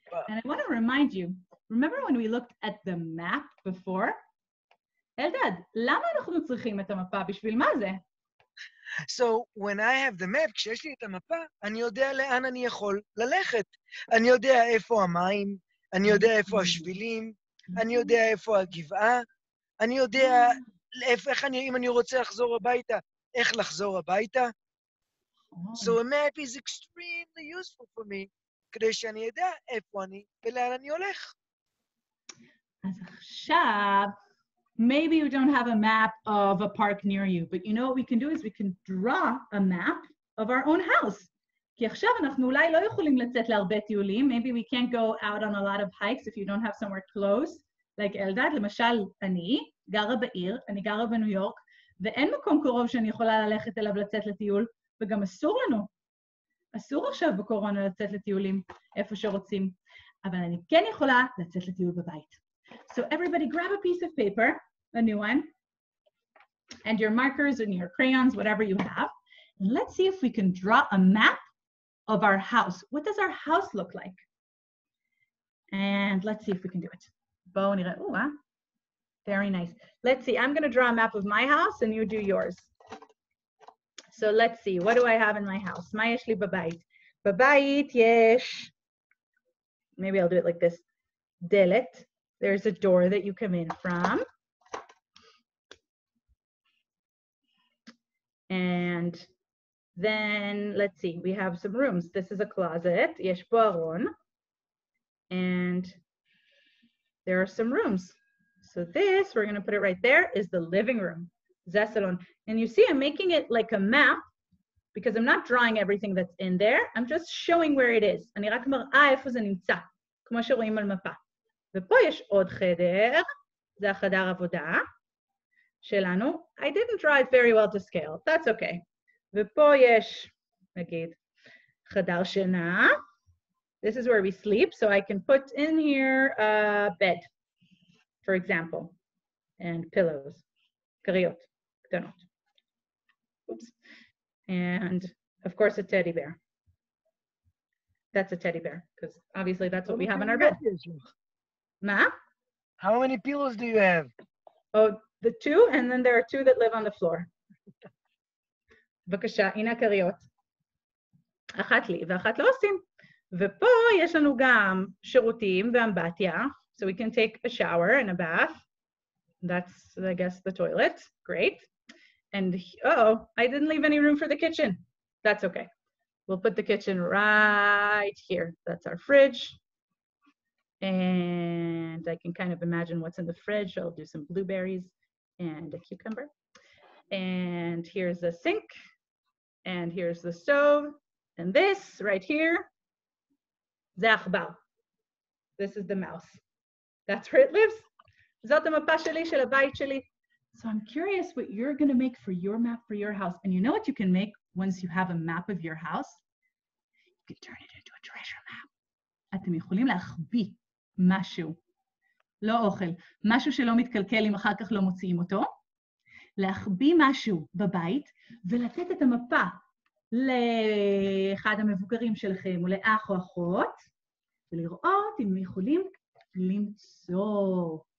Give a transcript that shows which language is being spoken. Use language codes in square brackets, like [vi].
[en] And I want to remind you, remember when we looked at the map before? [he] Elda, למה אנחנו צריכים את המפה? בשביל מה זה? [en] So when I have the map, [he] כשיש לי את המפה, אני יודע לאן אני יכול ללכת. אני יודע איפה המים, אני יודע איפה השבילים, אני יודע איפה הגבעה, אני יודע איך אני, אם אני רוצה לחזור הביתה, איך לחזור הביתה. [en] So a map is extremely useful for me, [he] כדי שאני יודע איפה אני ולאן אני הולך. אז עכשיו... [en] Maybe you don't have a map of a park near you, but you know what we can do is we can draw a map of our own house. [he] כי עכשיו אנחנו אולי לא יכולים לצאת להרבה טיולים. [en] Maybe we can't go out on a lot of hikes if you don't have somewhere close, like Eldad. [he] למשל, אני גרה בעיר, אני גרה בניו יורק, ואין מקום קרוב שאני יכולה ללכת אליו לצאת לטיול, וגם אסור לנו. אסור עכשיו בקורונה לצאת לטיולים איפה שרוצים, אבל אני כן יכולה לצאת לטיול בבית. [en] So everybody grab a piece of paper, a new one, and your markers and your crayons, whatever you have, and let's see if we can draw a map of our house. What does our house look like? And let's see if we can do it. Bon, ooh, very nice. Let's see, I'm going to draw a map of my house and you do yours. So let's see, what do I have in my house? [he] Ma yesh li babayit? Babayit yesh. [en] Maybe I'll do it like this. [he] Delet. [en] There's a door that you come in from. And then, let's see, we have some rooms. This is a closet. [he] יש פה ארון. [en] And there are some rooms. So this, we're going to put it right there, is the living room. [he] זה סלון. [en] And you see, I'm making it like a map, because I'm not drawing everything that's in there. I'm just showing where it is. [he] אני רק מראה איפה זה נמצא, כמו שרואים על מפה. ופה יש עוד חדר, זה החדר עבודה שלנו. [en] I didn't draw it very well to scale. That's okay. [he] ופה יש, נגיד, חדר שינה. [en] This is where we sleep, so I can put in here a bed, for example, and pillows. [he] קריות, קטנות. [en] Oops. And of course a teddy bear. That's a teddy bear, because obviously that's what we have in our bed. [he] Ma? [en] How many pillows do you have? Oh, the two, and then there are two that live on the floor. [he] בבקשה, הנה קריות. אחת לי ואחת לא עושים. ופה יש לנו גם שירותים ואמבטיה. [en] So we can take a shower and a bath. That's, I guess, the toilet. Great. And, uh-oh, I didn't leave any room for the kitchen. That's okay. We'll put the kitchen right here. That's our fridge. And I can kind of imagine what's in the fridge. I'll do some blueberries and a cucumber. And here's the sink. And here's the stove. And this right here, [he] זה עכבר. [en] This is the mouse. That's where it lives. [he] זאת המפה שלי של הבית שלי. [en] So I'm curious what you're going to make for your map for your house. And you know what you can make once you have a map of your house? You can turn it into a treasure map. [he] אתם יכולים להחביא משהו, לא אוכל, משהו שלא מתקלקל אם אחר כך לא מוציאים אותו, להחביא משהו בבית ולתת את המפה לאחד המבוגרים שלכם או לאח או אחות, ולראות אם הם יכולים למצוא.